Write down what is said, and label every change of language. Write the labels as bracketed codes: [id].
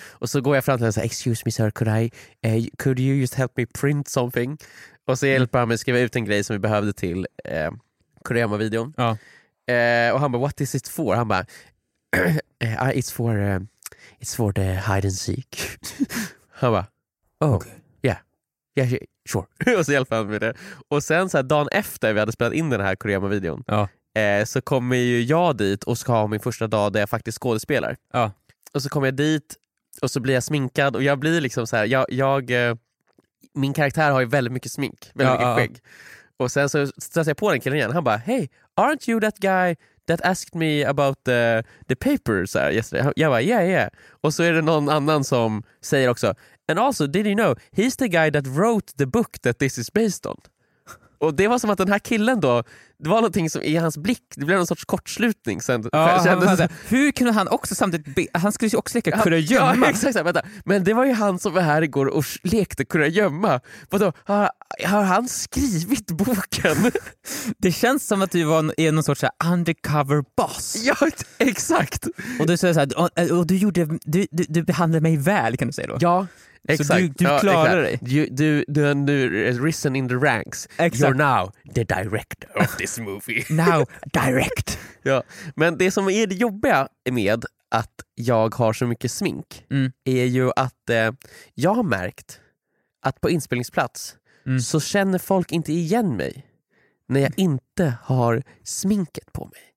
[sv] Och så går jag fram till den så här, [en] excuse me sir, could you just help me print something? [sv] Och så hjälper han mig att skriva ut en grej som vi behövde till koreama-videon. Ja. Och han bara, [en] what is it for? [sv] Han bara, [en] it's for the hide and seek. [sv] Han bara, [en] oh, okay. Yeah, sure. [sv] Och så hjälper han med det. Och sen så här, dagen efter vi hade spelat in den här koreama-videon, så kommer ju jag dit och ska ha min första dag där jag faktiskt skådespelar. Ja. Och så kommer jag dit och så blir jag sminkad. Och jag blir liksom så här, min karaktär har ju väldigt mycket smink, väldigt mycket skägg. Och sen så stressar jag på den killen igen. Han bara, [en] hey, aren't you that guy that asked me about the paper yesterday? [sv] Jag bara, [en] yeah. [sv] Och så är det någon annan som säger också, [en] and also, did you know, he's the guy that wrote the book that this is based on. [sv] Och det var som att den här killen då, det var någonting som i hans blick, det blev någon sorts kortslutning sen. Hur kunde han också samtidigt han skulle ju också leka kurragömma. Ja, exakt, vänta. Men det var ju han som var här igår och lekte kurragömma. Vadå, har han skrivit boken? Det känns som att du var någon sorts undercover boss. Ja, exakt. Och du säger så här, och du behandlade mig väl, kan du säga då? Ja. Exakt. Så du klarar dig. Du har nu [en] risen in the ranks. [sv] Exakt. [en] You're now the director of this movie. Now direct. [sv] Ja. Men det som är det jobbiga med att jag har så mycket smink är ju att jag har märkt att på inspelningsplats så känner folk inte igen mig när jag inte har sminket på mig.